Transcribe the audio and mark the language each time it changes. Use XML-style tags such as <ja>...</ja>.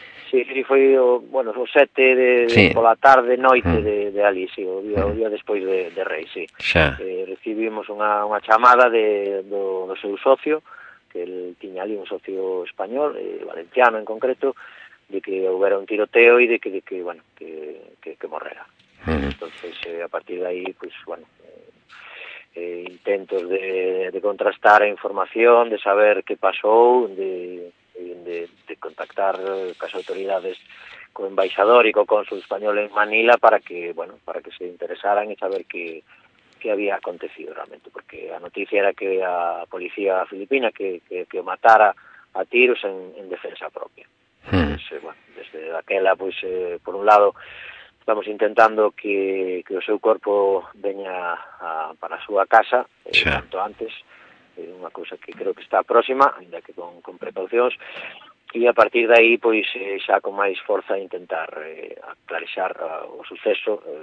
<gl>Sí, sí, foi o 7 de, sí, pola tarde, noite de ali, sí, o día despois de Rei, sí. Xa. Recibimos unha chamada do seu socio, que el tiña ali un socio español, valenciano en concreto, de que houbera un tiroteo e de que morrera.</gl> <es>Entonces, a partir de ahí, pues bueno, intentos de contrastar a información, de saber qué pasó, de contactar con las autoridades, con el embajador y con el cónsul español en Manila para que se interesaran y saber qué había acontecido realmente, porque la noticia era que la policía filipina que matara a tiros en defensa propia.</es> <gl>Entonces, bueno, desde aquella, pues por un lado estamos intentando que o seu corpo veña para a súa casa, tanto antes, unha cousa que creo que está próxima, ainda que con precaucións, e a partir de aí, pois, xa con máis forza intentar aclarexar o suceso.</gl>